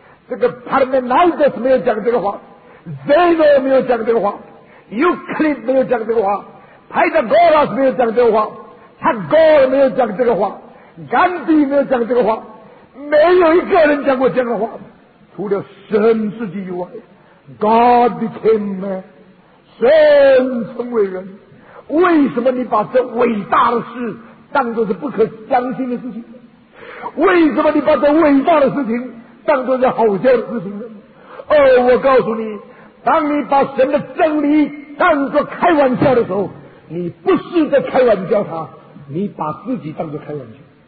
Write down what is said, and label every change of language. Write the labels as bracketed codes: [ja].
[zh] 这个 Parmenides 没有讲这个话， Zeno 没有讲这个话， Euclid 没有讲这个话， Pythagoras 没有讲这个话， Tagore 没有讲这个话， Gandhi 没有讲这个话，没有一个人讲过这样的话，除了神自己以外。 [en] God became man， [zh] 神成为人。为什么你把这伟大的事当作是不可相信的事情？为什么你把这伟大的事情当作是好笑的事情呢？哦，我告诉你，当你把神的真理当作开玩笑的时候，你不是在开玩笑他，你把自己当作开玩笑。